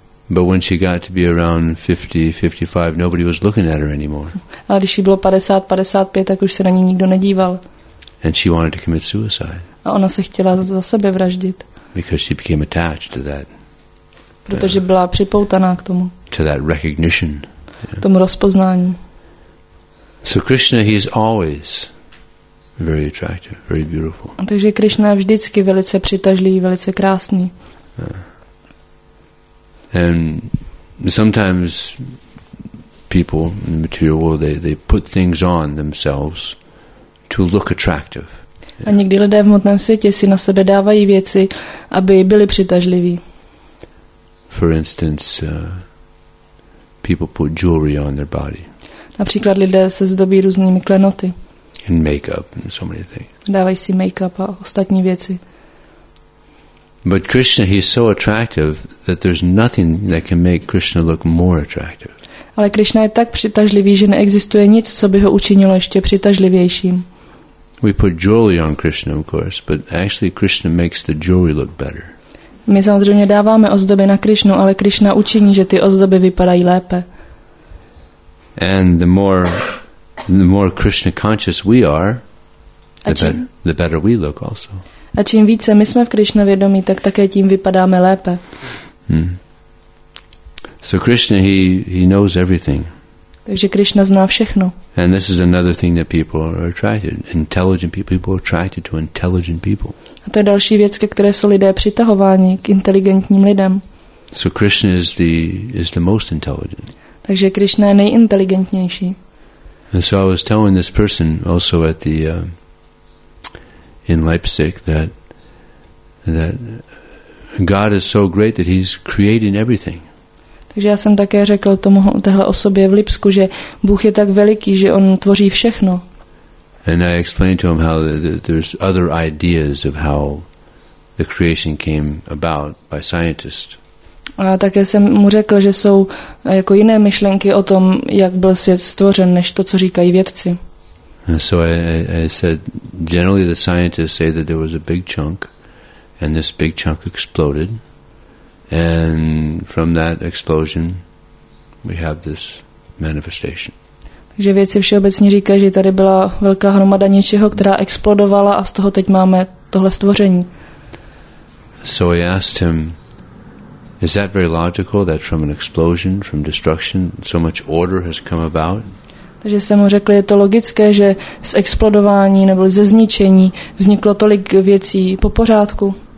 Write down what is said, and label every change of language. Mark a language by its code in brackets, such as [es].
[en] But when she got to be around 50, 55, nobody was looking at her anymore. [cs] Ale když jí bylo 50, 55, tak už se na ní nikdo nedíval. [en] And she wanted to commit suicide. [cs] A ona se chtěla za sebe vraždit. [en] Because she became attached to that. [cs] Protože byla připoutaná k tomu. [en] To that recognition. [cs] K tomu rozpoznání. [en] So Krishna, he is always very attractive, very beautiful. [cs] A takže Krishna je vždycky velice přitažlivý, velice krásný. [en] And sometimes people in the material world they put things on themselves to look attractive. [cs] A někdy lidé v hmotném světě si na sebe dávají věci, aby byli přitažliví. [en] For instance, people put jewelry on their body. [cs] Například lidé se zdobí různými klenoty. [en] And makeup and so many things. [cs] Dávají si makeup a ostatní věci. [en] But Krishna, he's so attractive that there's nothing that can make Krishna look more attractive. [cs] Ale Krishna je tak přitažlivý, že neexistuje nic, co by ho učinilo ještě přitažlivějším. [en] We put jewelry on Krishna, of course, but actually Krishna makes the jewelry look better. [cs] My samozřejmě dáváme ozdoby na Krishnu, ale Krishna učiní, že ty ozdoby vypadají lépe. [en] And the more Krishna conscious we are, the better we look also. [cs] A čím více my jsme v Krishna vědomí, tak také tím vypadáme lépe. [en] So Krishna, he knows everything. [cs] Takže Krishna zná všechno. [en] And this is another thing that people are attracted. Intelligent people are attracted to intelligent people. [cs] A to je další věc, ke které jsou lidé přitahováni, k inteligentním lidem. [en] So Krishna is the most intelligent. [cs] Takže Krishna je nejinteligentnější. [en] And so I was telling this person also at the in Leipzig that that God is so great that he's creating everything. [cs] Takže já jsem také řekl tomu téhle osobě v Lipsku, že Bůh je tak veliký, že on tvoří všechno. [en] And I explained to him how there's other ideas of how the creation came about by scientists. [cs] A také jsem mu řekl, že jsou jako jiné myšlenky o tom, jak byl svět stvořen, než to, co říkají vědci. [en] So I said, generally the scientists say that there was a big chunk, and this big chunk exploded, and from that explosion we have this manifestation. [cs] Takže vědci všeobecně říkají, že tady byla velká hromada něčeho, která explodovala a z toho teď máme tohle stvoření. [en] So I asked him, is that very logical that from an explosion, from destruction, so much order has come about? [cs] Takže jsem mu řekl, je to logické, že z explodování nebo ze zničení vzniklo tolik věcí po pořádku.